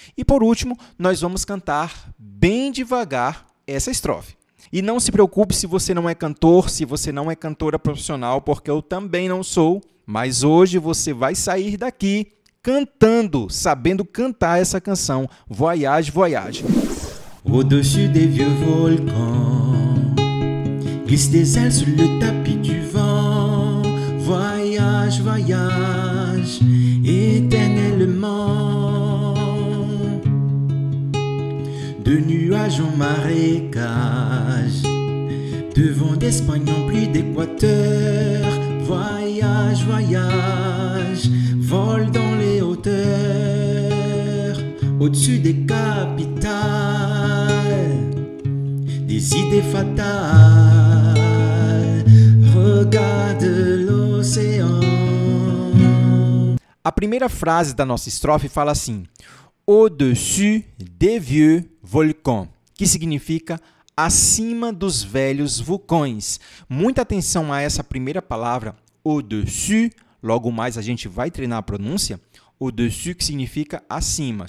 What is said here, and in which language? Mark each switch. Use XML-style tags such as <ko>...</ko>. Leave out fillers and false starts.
<pt>E por último, nós vamos cantar bem devagar essa estrofe. E não se preocupe se você não é cantor, se você não é cantora profissional, porque eu também não sou. Mas hoje você vai sair daqui cantando, sabendo cantar essa canção, Voyage, Voyage.</pt> <fr>Au-dessus des vieux volcans, glissent des ailes sous le tapis du vent. Voyage, voyage, éternellement. De nuages en marécage, de vent d'Espagne en pluie d'Équateur. Voyage, voyage, vole dans les hauteurs, au-dessus des capitales. Des idées fatales, regarde l'océan.</fr> <pt>A primeira frase da nossa estrofe fala assim:</pt> <fr>au-dessus des vieux volcans,</fr> <pt>que significa acima dos velhos vulcões. Muita atenção a essa primeira palavra, au-dessus. Logo mais a gente vai treinar a pronúncia. Au-dessus, que significa acima.</pt>